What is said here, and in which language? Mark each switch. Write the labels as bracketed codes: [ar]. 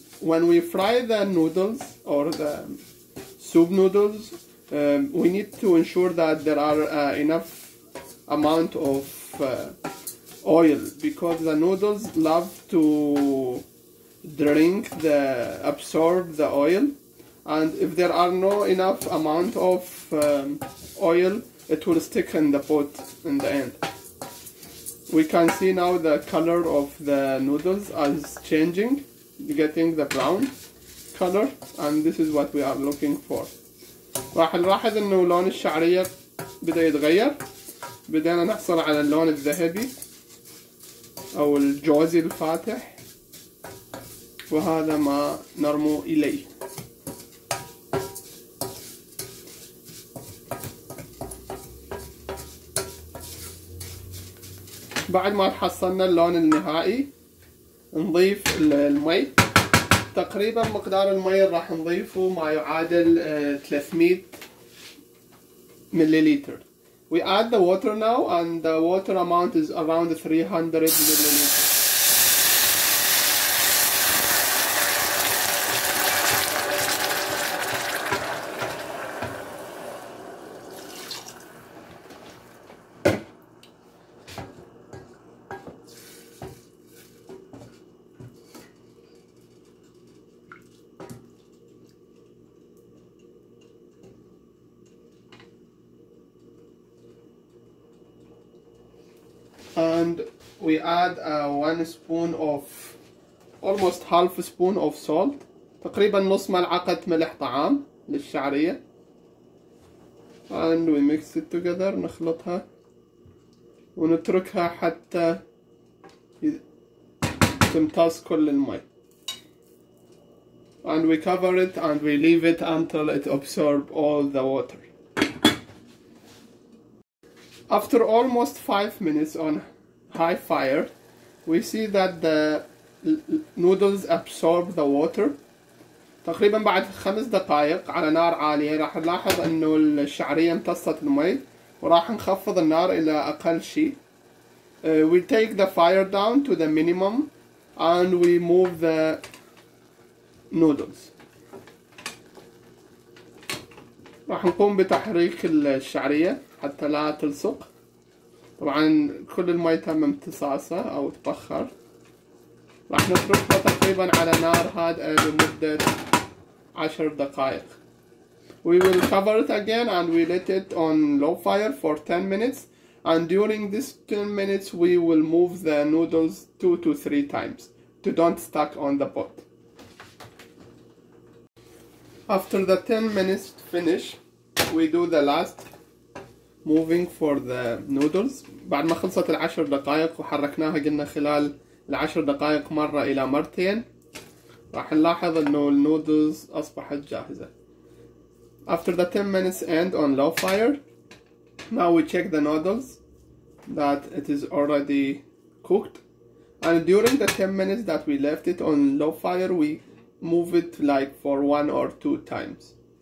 [en] When we fry the noodles or the soup noodles, we need to ensure that there are enough amount of oil because the noodles love to drink the absorb the oil, and if there are no enough amount of oil, it will stick in the pot in the end. We can see now the color of the noodles is changing, getting the brown color, and this is what we are looking for. [ar] راح نلاحظ انه لون الشعرية بدأ يتغير، بدأنا نحصل على اللون الذهبي او الجوزي الفاتح، وهذا ما نرمو اليه. بعد ما حصلنا اللون النهائي نضيف المي. تقريبا مقدار المي راح نضيفه ما يعادل 300 مللتر. [en] We add the water now, and the water amount is around 300 milliliters. And we add one spoon of, almost half a spoon of salt. [ar] تقريبا نص ملعقة ملح طعام للشعرية. [en] And we mix it together, [ar] نخلطها ونتركها حتى تمتص كل الماء. [en] And we cover it and we leave it until it absorbs all the water. After almost 5 minutes on high fire, we see that the noodles absorb the water. [ar] تقريبا بعد 5 دقائق على نار عالية راح نلاحظ انه الشعرية امتصت الماء وراح نخفض النار الى اقل شيء. [en] We take the fire down to the minimum and we move the noodles. [ar] راح نقوم بتحريك الشعرية حتى لا تلصق. طبعا كل الماء تم امتصاصه او تبخر. راح نتركها تقريبا على نار هادئة لمدة 10 دقائق. [en] We will cover it again and we let it on low fire for 10 minutes and during this 10 minutes we will move the noodles 2 to 3 times to don't stuck on the pot. After the 10 minutes finish, we do the last moving for the noodles. [ar] بعد ما خلصت العشر دقائق وحركناها قلنا خلال العشر دقائق مرة إلى مرتين راح نلاحظ إنه النودلز أصبحت جاهزة. [en] After the 10 minutes end on low fire, now we check the noodles that it is already cooked. And during the 10 minutes that we left it on low fire, we move it like for 1 or 2 times.